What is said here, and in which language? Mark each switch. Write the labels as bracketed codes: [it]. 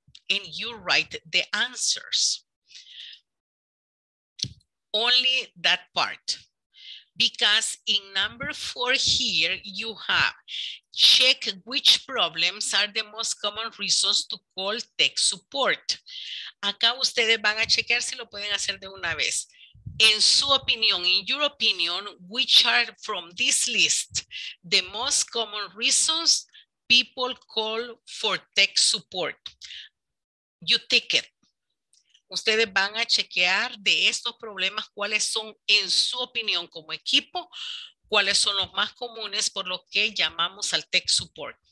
[en] And you write the answers. Only that part. Because in number four here, you have check which problems are the most common reasons to call tech support. [es] Acá ustedes van a chequear si lo pueden hacer de una vez. En su opinión, [en] in your opinion, which are from this list, the most common reasons people call for tech support. You take it. [es] Ustedes van a chequear de estos problemas cuáles son, en su opinión como equipo, cuáles son los más comunes por lo que llamamos al tech support.